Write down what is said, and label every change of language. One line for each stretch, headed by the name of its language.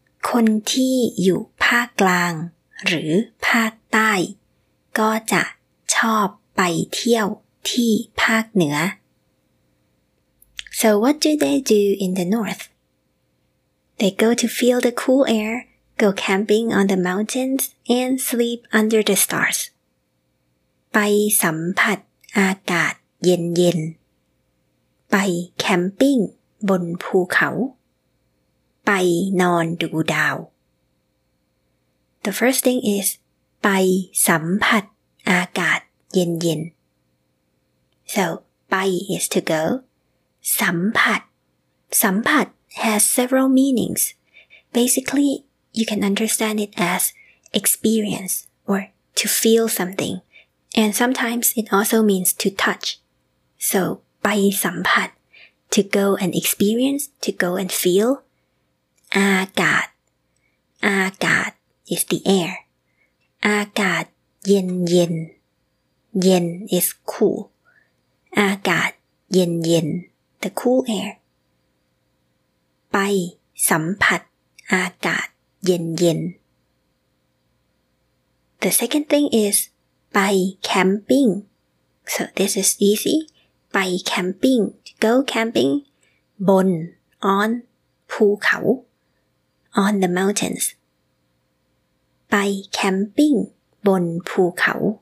Thai: คนที่อยู่ภาคกลางหรือภาคใต้ก็จะชอบไปเที่ยวที่ภาคเหนือ
English: So what do they do in the north? They go to feel the cool air, go camping on the mountains, and sleep under the stars.
Thai: ไปสัมผัสอากาศเย็นๆไปแคมปิ้งบนภูเขาไปนอนดูดาว
English: The first thing is
Thai: ไปสัมผัสอากาศเย็นๆ
English: So, ไป is to go. สัมผัส สัมผัส has several meanings. Basically, you can understand it as experience or to feel something. And sometimes it also means to touch. So,
Thai: ไปสัมผัส
English: to go and experience, to go and feel. อากาศ อากาศ is the air.
Thai: อากาศเย็นเย็น
English: เย็น is cool. อากาศเย็นๆ the cool air
Thai: ไปสัมผัสอากาศเย็นๆ
English: the second thing is
Thai: ไปแคมปิ้ง
English: so this is easy ไปแคมปิ้ง go camping บน on ภูเขา on the mountains
Thai: ไปแคมปิ้งบนภูเขา